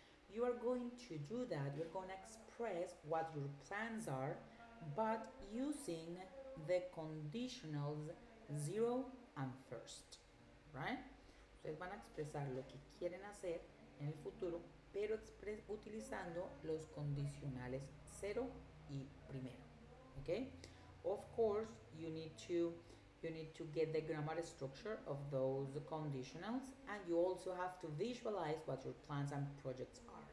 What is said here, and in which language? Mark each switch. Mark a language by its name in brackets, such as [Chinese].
[English] You are going to do that, you're going to express what your plans are, but using the conditionals zero and first, right? [Spanish] Ustedes van a expresar lo que quieren hacer en el futuro, pero utilizando los condicionales cero y primero, okay? [English] Of course, you need to get the grammar structure of those conditionals, and you also have to visualize what your plans and projects are.